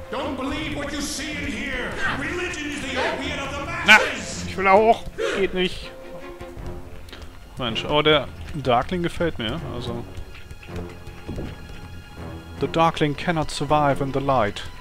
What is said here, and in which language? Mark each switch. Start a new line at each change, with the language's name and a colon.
English: Don't believe what you see in here. Religion is the opiate of the masses.
German: Na, ich will auch. Geht nicht. Mensch, aber der Darkling gefällt mir, also.
English: The Darkling cannot survive in the light.